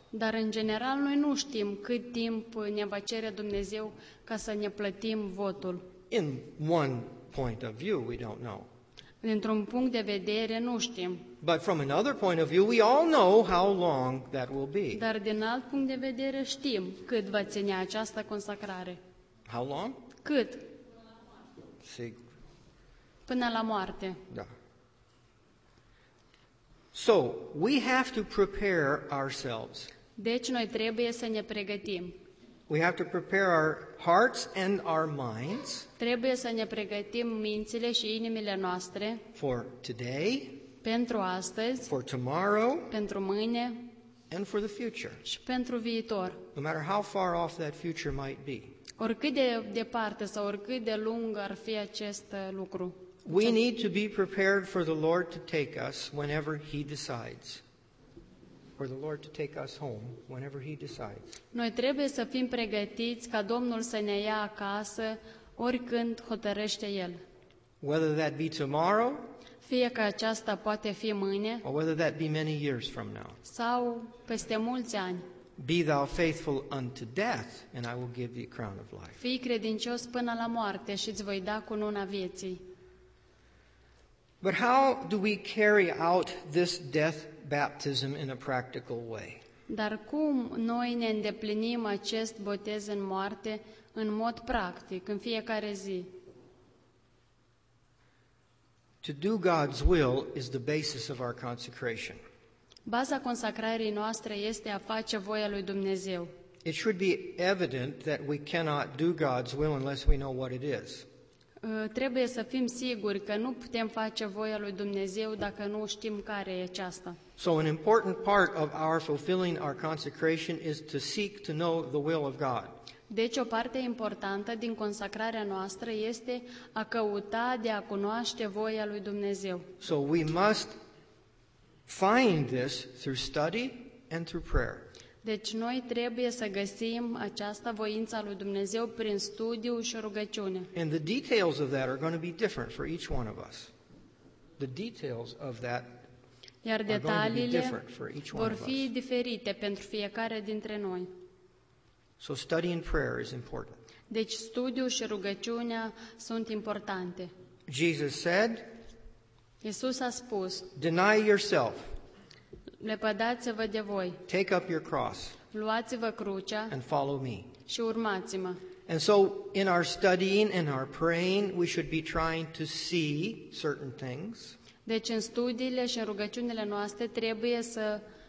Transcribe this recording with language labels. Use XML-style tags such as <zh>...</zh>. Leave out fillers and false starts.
<ro>Dar în general noi nu știm cât timp ne va cere Dumnezeu ca să ne plătim votul.</ro> <en>In one point of view, we don't know.</en> <ro>Dintr-un punct de vedere, nu știm.</ro> <en>But from another point of view, we all know how long that will be.</en> <ro>Dar din alt punct de vedere știm cât va ține această consacrare.</ro> <en>How long?</en> <ro>Cât? Sigur. Până la moarte. Da.</ro> <en>So, we have to prepare ourselves.</en> <ro>Deci noi trebuie să ne pregătim.</ro> <en>We have to prepare our hearts and our minds.</en> <ro>Trebuie să ne pregătim mințile și inimile noastre.</ro> <en>For today.</en> <ro>Pentru astăzi.</ro> <en>For tomorrow.</en> <ro>Pentru mâine.</ro> <en>And for the future.</en> <ro>Și pentru viitor.</ro> <en>No matter how far off that future might be.</en> <ro>Oricât de departe sau oricât de lung ar fi acest lucru.</ro> <en>We need to be prepared for the Lord to take us whenever He decides. For the Lord to take us home whenever He decides.</en> <ro>Noi trebuie să fim pregătiți ca Domnul să ne ia acasă oricând hotărăște El.</ro> <en>Whether that be tomorrow,</en> <ro>fie că aceasta poate fi mâine,</ro> <en>or whether that be many years from now,</en> <ro>sau peste mulți ani.</ro> <en>Be thou faithful unto death, and I will give thee crown of life.</en> <ro>Fii credincios până la moarte și îți voi da cununa vieții.</ro> <en>But how do we carry out this death baptism in a practical way?</en> <ro>Dar cum noi ne îndeplinim acest botez în moarte în mod practic, în fiecare zi?</ro> <en>To do God's will is the basis of our consecration.</en> <ro>Baza consacrării noastre este a face voia lui Dumnezeu.</ro> <en>It should be evident that we cannot do God's will unless we know what it is.</en> <ro>Trebuie să fim siguri că nu putem face voia lui Dumnezeu dacă nu știm care e aceasta.</ro> <en>So an important part of our fulfilling our consecration is to seek to know the will of God.</en> <ro>Deci o parte importantă din consacrarea noastră este a căuta de a cunoaște voia lui Dumnezeu.</ro> <en>So we must find this through study and through prayer.</en> <ro>Deci noi trebuie să găsim această voință a lui Dumnezeu prin studiu și rugăciune.</ro> <en>And the details of that are going to be different for each one of us. The details of that</en> <ro>iar detaliile</ro> <en>are going to be different for each one</en> <ro>vor</ro> <en>of</en> <ro>fi</ro> <en>us.</en> <ro>Diferite pentru fiecare dintre noi.</ro> <en>So study and prayer is important.</en> <ro>Deci studiu și rugăciunea sunt importante.</ro> <en>Jesus said,</en> <ro>Iisus a spus,</ro> <en>deny yourself.</en> <ro>Lepădați-vă de voi.</ro> <en>Take up your cross.</en> <ro>Luați-vă crucea.</ro> <en>And follow me.</en> <ro>Și urmați-mă.</ro> <en>And so in our studying and our praying, we should be trying to see certain things.</en> <ro>Deci în studiile și în rugăciunile noastre trebuie să</ro>